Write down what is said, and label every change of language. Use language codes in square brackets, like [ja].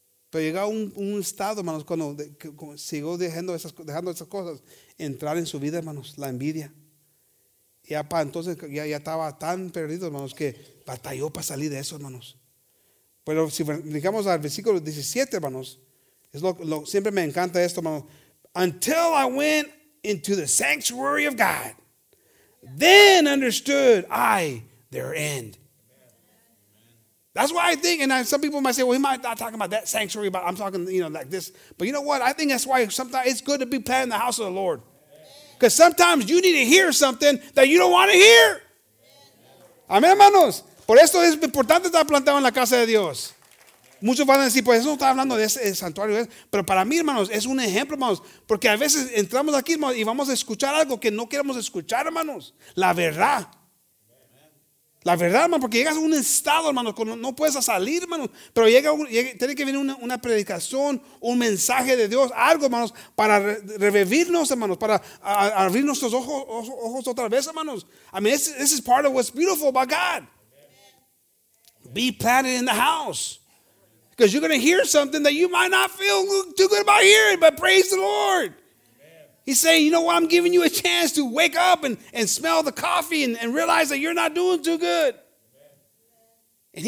[es] Pero llega un estado, hermanos, cuando sigo dejando esas cosas entrar en su vida, hermanos, la envidia. Y ya para entonces ya estaba tan perdido, hermanos, que batalló para salir de eso, hermanos. Pero si digamos al versículo 17, hermanos, es lo siempre me encanta esto, hermanos. [en] Until I went into the sanctuary of God, then understood I their end. That's why I think, and some people might say, well, he might not talking about that sanctuary, but I'm talking, you know, like this. But you know what? I think that's why sometimes it's good to be planning the house of the Lord. Because sometimes you need to hear something that you don't want to hear. [es] Amén, hermanos. Por esto es importante estar plantado en la casa de Dios. Muchos van a decir, pues eso no está hablando de ese santuario. Pero para mí, hermanos, es un ejemplo, hermanos. Porque a veces entramos aquí, hermanos, y vamos a escuchar algo que no queremos escuchar, hermanos. La verdad. La verdad, hermano, porque llegas a un estado, hermano, no puedes salir, hermano. Pero tiene que venir una predicación, un mensaje de Dios, algo, hermanos, para revivirnos, hermanos, para abrir nuestros ojos otra vez, hermanos. [en] I mean, this is part of what's beautiful about God. Be planted in the house. Because you're going to hear something that you might not feel too good about hearing, but praise the Lord. He's saying, you know what, I'm giving you a chance to wake up and smell the coffee and realize that you're not doing too good. Amen.